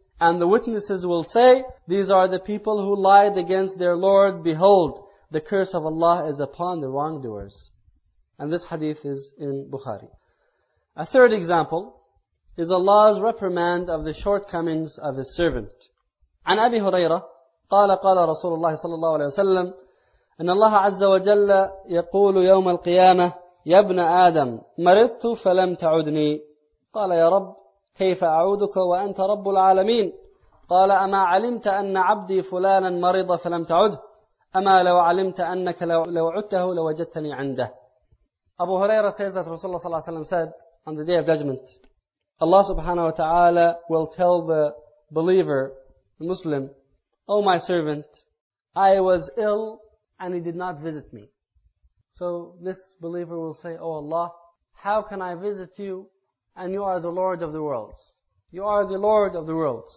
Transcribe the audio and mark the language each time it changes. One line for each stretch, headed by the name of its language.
English: And the witnesses will say, these are the people who lied against their Lord. Behold, the curse of Allah is upon the wrongdoers. And this hadith is in Bukhari. A third example is Allah's reprimand of the shortcomings of His servant.
Arabic: عن أبي هريرة قال قال رسول الله صلى الله عليه وسلم أن الله عز وجل يقول يوم القيامة يا ابن آدم مرضت فلم تعدني قال يا رب كيف أعودك وأنت رب العالمين؟ قال أما علمت أن عبدي فلانا مريض فلم تعده؟ أما لو علمت أنك لو عدته لوجدتني عنده؟
English: أبو هريرة says that Rasulullah صلى الله عليه وسلم said on the day of judgment, Allah subhanahu wa ta'ala will tell the believer, the Muslim, oh my servant, I was ill and he did not visit me. So this believer will say, oh Allah, how can I visit you? And you are the Lord of the worlds. You are the Lord of the worlds.